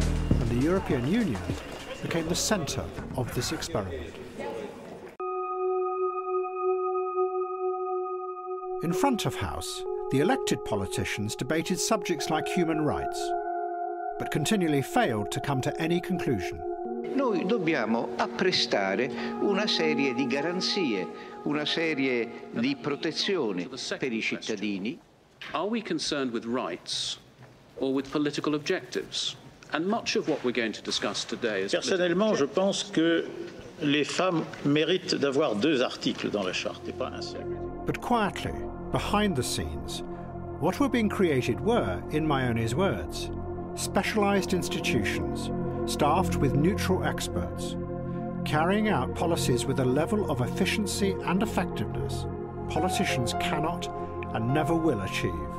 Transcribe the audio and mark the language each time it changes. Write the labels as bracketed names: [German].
[English] And the European Union became the centre of this experiment. In front of House, the elected politicians debated subjects like human rights, but continually failed to come to any conclusion. [Italian] Noi dobbiamo apprestare una serie di garanzie, una serie di protezioni per I cittadini. [English] Are we concerned with rights or with political objectives? And much of what we're going to discuss today is... [French] Personnellement, je pense que les femmes méritent d'avoir deux articles dans la charte, et pas un seul. [English] But quietly, behind the scenes, what were being created were, in Maione's words, specialised institutions, staffed with neutral experts, carrying out policies with a level of efficiency and effectiveness politicians cannot and never will achieve.